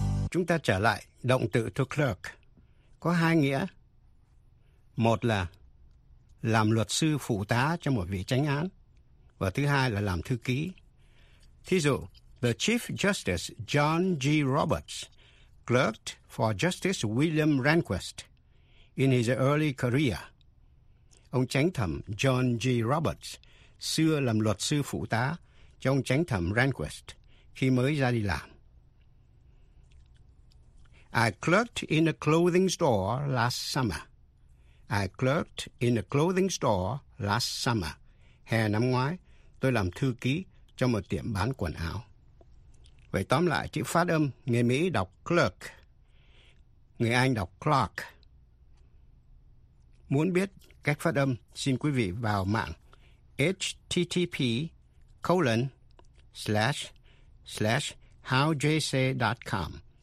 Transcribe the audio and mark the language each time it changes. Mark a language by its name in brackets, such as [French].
[Vietnamese] Chúng ta trở lại động từ to clerk, có hai nghĩa. Một là làm luật sư phụ tá cho một vị chánh án, và thứ hai là làm thư ký. [English] Thí dụ, the Chief Justice John G. Roberts clerked for Justice William Rehnquist in his early career. [Vietnamese] Ông chánh thẩm John G. Roberts xưa làm luật sư phụ tá trong chánh thẩm Rehnquist khi mới ra đi làm. [English] I clerked in a clothing store last summer. I clerked in a clothing store last summer. [Vietnamese] Hè năm ngoái, tôi làm thư ký trong một tiệm bán quần áo. Vậy tóm lại, chữ phát âm người Mỹ đọc clerk, người Anh đọc clerk. Muốn biết cách phát âm, xin quý vị vào mạng http://howjsay.com.